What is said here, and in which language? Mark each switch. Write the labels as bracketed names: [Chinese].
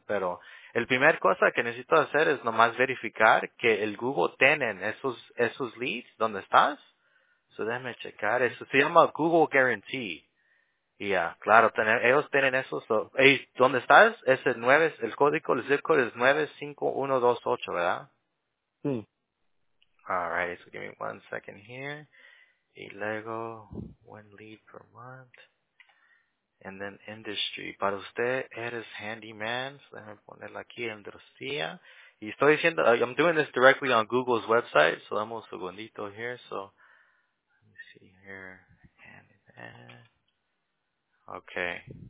[Spanish] Pero el primer cosa que necesito hacer es nomás verificar que el Google tienen esos leads donde estás. So déjame checar eso. Se llama Google Guarantee. Y ya, claro, ellos tienen esos. So, hey, ¿dónde estás? Es el código, el zip code es 95128, ¿verdad? Sí. [English] Alright, so give me one second here. [Spanish] Y luego, [English] one lead per month. And then industry. [Spanish] Para usted, eres handyman. So, déjame ponerla aquí, industria. Y estoy diciendo, [English] I'm doing this directly on Google's website. So, [Spanish] dame un segundito [English] here. So, let me see here. Handyman. Okay.